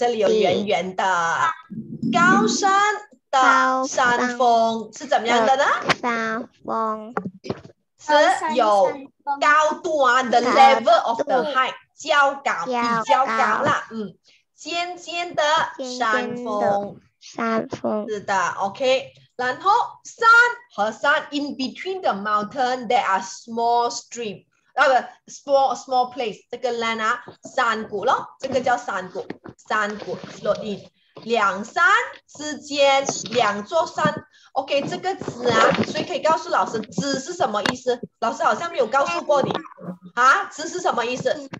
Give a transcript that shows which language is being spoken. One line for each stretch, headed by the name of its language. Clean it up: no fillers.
Chinese: 这里有圆圆的高山的山峰是怎么样的呢？山峰是有高度啊，
English: the level of the height，
Chinese: 较高，比较高了。嗯，尖尖的山峰，山峰是的。
English: OK，
Chinese: 然后山和山
English: in between the mountain there are small streams。 small place，
Chinese: 这个 land 啊，山谷咯，这个叫山谷，山谷
English: flow in，
Chinese: 两山之间，两座山。 OK， 这个枝啊，所以可以告诉老师，枝是什么意思？老师好像没有告诉过你啊，枝是什么意思？